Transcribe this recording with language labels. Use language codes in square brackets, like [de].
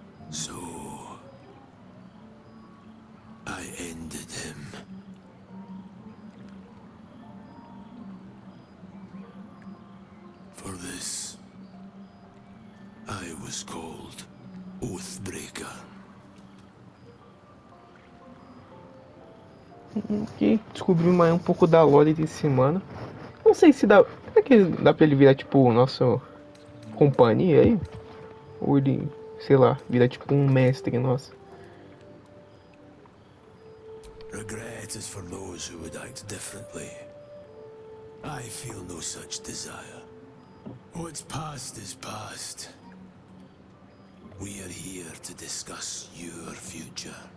[en] So I ended him. For this, I was called Oathbreaker. [pt] Que descobri mais um pouco da lore desse mano. Não sei se dá. Será que dá pra ele virar tipo o nosso companheiro aí? Ou ele, sei lá, virar tipo um mestre nosso. [en] Regret is for those who would act differently. I feel no such desire. What's past is past. We are here to discuss your future.